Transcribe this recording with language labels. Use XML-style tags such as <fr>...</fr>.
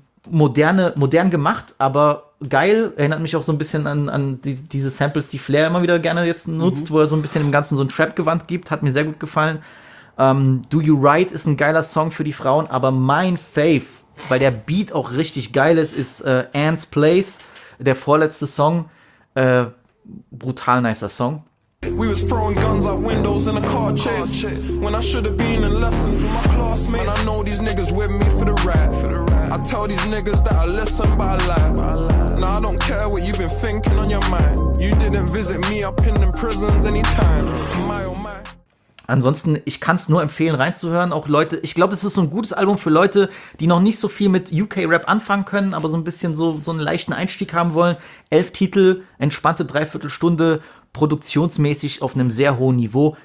<de>Modern gemacht, aber geil, erinnert mich auch so ein bisschen an diese Samples, die Flair immer wieder gerne jetzt nutzt, wo er so ein bisschen im Ganzen so ein Trap-Gewand gibt, hat mir sehr gut gefallen. Do You Right ist ein geiler Song für die Frauen, aber mein Fave, weil der Beat auch richtig geil ist, ist Anne's Place, der vorletzte Song. Brutal nicer Song.</de> <en>We was throwing guns out windows in a car chase. When I should have been in lesson for my classmate. And I know these niggas with me for the rap. I tell these niggas that I listen but I lie. Nah, I don't care what you've been thinking on your mind. You didn't visit me up in them prisons anytime. My oh my.</en> <de>Ansonsten, ich kann es nur empfehlen, reinzuhören. Auch Leute, ich glaube, es ist so ein gutes Album für Leute, die noch nicht so viel mit UK-Rap anfangen können, aber so ein bisschen so einen leichten Einstieg haben wollen. 11 Titel, entspannte Dreiviertelstunde, produktionsmäßig auf einem sehr hohen Niveau.</de>